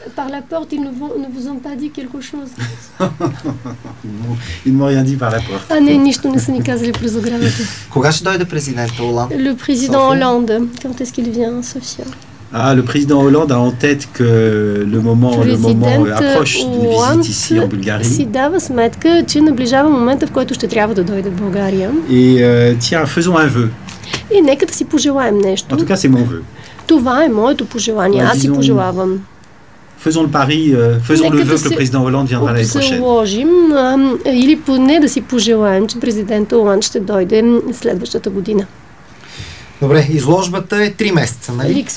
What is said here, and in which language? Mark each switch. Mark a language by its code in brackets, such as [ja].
[fr] Par la porte, ils ne vous ont pas dit quelque chose. Ils ne m'ont rien dit par la porte. [bg] А не, нищо не са ни казали през оградата. Кога ще дойде президентът Оланд? [fr] Le président Hollande, quand est-ce qu'il vient, Sofia? Ah, le président Hollande a en tête que le moment approche d'une visite ici en Bulgarie. [bg] Си дава сметка, че наближава момента, в който ще трябва да дойде в България. [fr] Et tiens, faisons un vœu. [bg] И нека да си пожелаем нещо. [fr] En tout cas, c'est mon vœu. [bg] Това е моето пожелание, аз си пожелавам. [fr] Faisons le pari, faisons le vœu que le président Hollande viendra l'année prochaine. [bg] Обсъложим, или поне да си пожелаем, че президент Оланд ще дойде следващата година. Добре, изложбата е 3 месеца, нали?